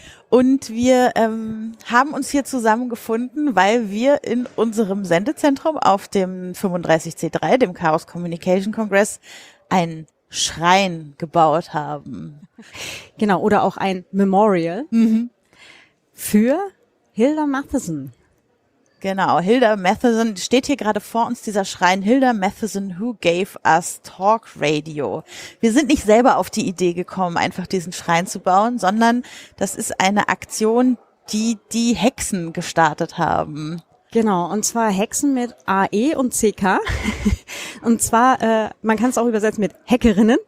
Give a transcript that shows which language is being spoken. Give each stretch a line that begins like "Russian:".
German: Und wir haben uns hier zusammengefunden, weil wir in unserem Sendezentrum auf dem 35C3, dem Chaos Communication Congress, einen Schrein gebaut haben. Genau, oder auch ein Memorial. Mhm. Für Hilda Matheson. Genau, Hilda Matheson steht hier gerade vor uns, dieser Schrein.
English: Hilda Matheson, who gave us talk radio?
German: Wir sind nicht selber auf die Idee gekommen, einfach diesen Schrein zu bauen, sondern das ist eine Aktion, die die Hexen gestartet haben. Genau, und zwar Hexen mit AE und CK. Und zwar, man kann es auch übersetzen mit Hackerinnen.